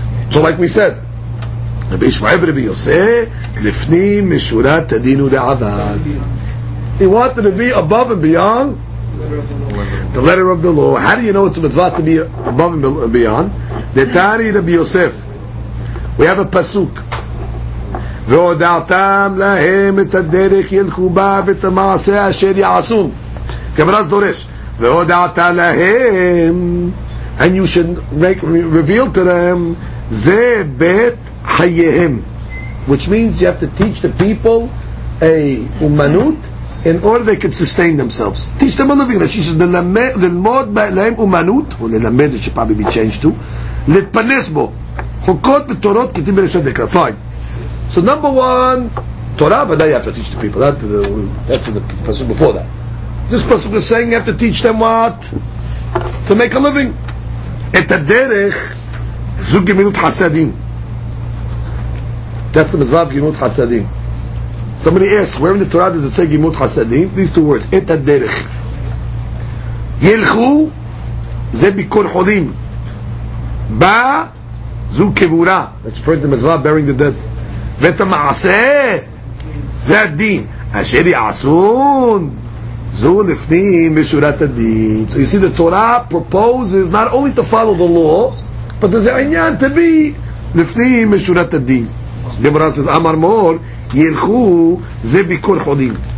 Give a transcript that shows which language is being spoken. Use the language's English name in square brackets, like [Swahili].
[English] So like we said, Rabbi Ishmael, Rabbi Yosef, Lifnim Mishurat Tadinu De'Avad. He wanted to be above and beyond the letter of the law. How do you know it's a mitzvah to be above and beyond? Detari Rabbi Yosef. We have a pasuk. [Hebrew] והודעתם להם את הדרך ילכו בה ואת המעשה אשר יעשו. גמרא דורש, והודעת להם, [English] and you should reveal to them, [Hebrew] זה בית חייהם. [English] Which means you have to teach the people a umanut in order they can sustain themselves. Teach them a living. She says, [Hebrew] ללמוד להם [English] umanut, or ללמד, it should probably be changed to, [Hebrew] להתפנס בו. חוקות ותורות כתיב בלשון נקרא. [English] Fine. So number one, Torah, but now you have to teach the people. That's in the pasuk before that. This pasuk is saying you have to teach them what? To make a living. [Hebrew] Et ha-derech, zu gemilut hasadim. [English] That's the mitzvah of gemilut hasadim. Somebody asks, where in the Torah does it say gemilut hasadim? These two words, et ha-derech. [Hebrew] Yelchu, ze bikur cholim. Ba, zu kevura. [English] That's referring to the mitzvah bearing the dead. [Hebrew] ואת המעשה, זה הדין. אשר יעשון, זו לפנים משורת הדין. [English] So you see, the Torah proposes not only to follow the law, but there's a עניין to be [Hebrew] לפנים משורת הדין. גמרא says, אמר מור, ילכו, זה ביקור חולים.